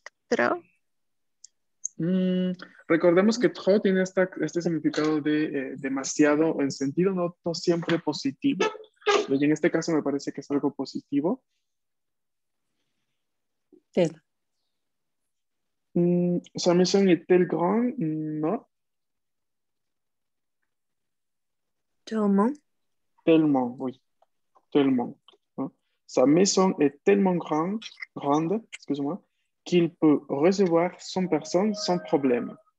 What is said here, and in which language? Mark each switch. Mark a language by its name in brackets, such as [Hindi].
[French] Trop. [Spanish] Recordemos que trop tiene este significado de demasiado en sentido no siempre positivo. Y en este caso me parece que es algo positivo. [French] Tel. Sa maison est tel grand, no. Tellement. Tellement, oui. Tellement. ¿No? Sa maison est tellement grande, excuse-moi, qu'il peut recevoir 100 personnes sans problème.